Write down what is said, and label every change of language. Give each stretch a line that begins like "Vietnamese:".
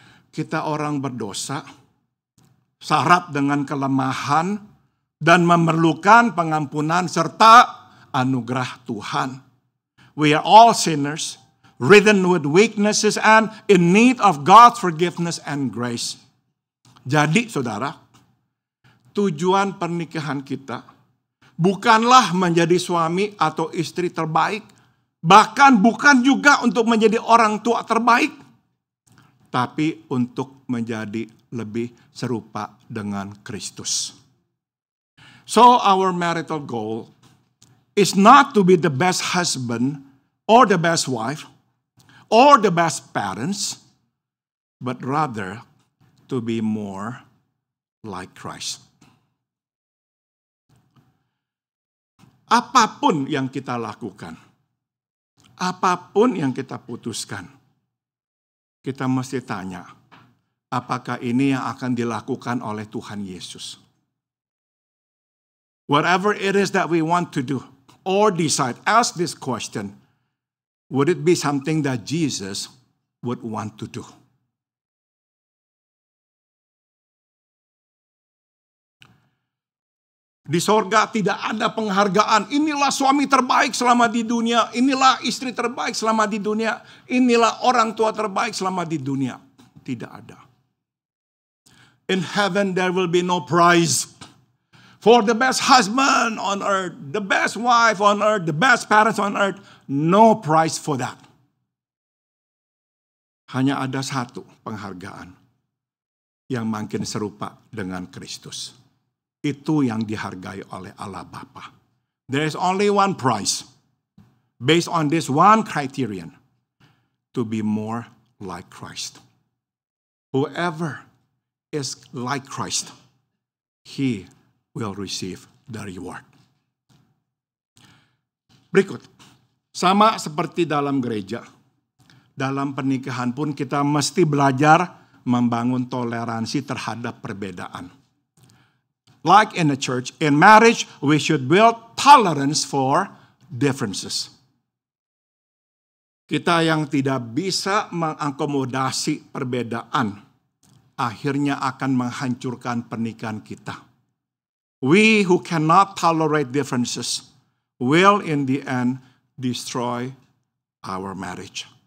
Indonesian: Kita orang berdosa, syarat dengan kelemahan dan memerlukan pengampunan serta anugerah Tuhan.
English: We are all sinners, ridden with weaknesses and in need of God's forgiveness and grace.
Indonesian: Jadi, saudara, tujuan pernikahan kita bukanlah menjadi suami atau istri terbaik, bahkan bukan juga untuk menjadi orang tua terbaik, tapi untuk menjadi lebih serupa dengan Kristus.
English: So our marital goal is not to be the best husband or the best wife or the best parents, but rather to be more like Christ.
Indonesian: Apapun yang kita lakukan, apapun yang kita putuskan, kita mesti tanya, apakah ini yang akan dilakukan oleh Tuhan Yesus?
English: Whatever it is that we want to do or decide, ask this question. Would it be something that Jesus would want to do?
Indonesian: Di sorga tidak ada penghargaan. Inilah suami terbaik selama di dunia. Inilah istri terbaik selama di dunia. Inilah orang tua terbaik selama di dunia. Tidak ada.
English: In heaven there will be no prize for the best husband on earth, the best wife on earth, the best parents on earth. No prize for that.
Indonesian: Hanya ada satu penghargaan yang makin serupa dengan Kristus. Itu yang dihargai oleh Allah Bapa.
English: There is only one prize based on this one criterion: to be more like Christ. Whoever is like Christ, he will receive the reward.
Indonesian: Berikut, sama seperti dalam gereja, dalam pernikahan pun kita mesti belajar membangun toleransi terhadap perbedaan.
English: Like in a church, in marriage, we should build tolerance for differences.
Indonesian: Kita yang tidak bisa mengakomodasi perbedaan akhirnya akan menghancurkan pernikahan kita.
English: We who cannot tolerate differences will in the end destroy our marriage.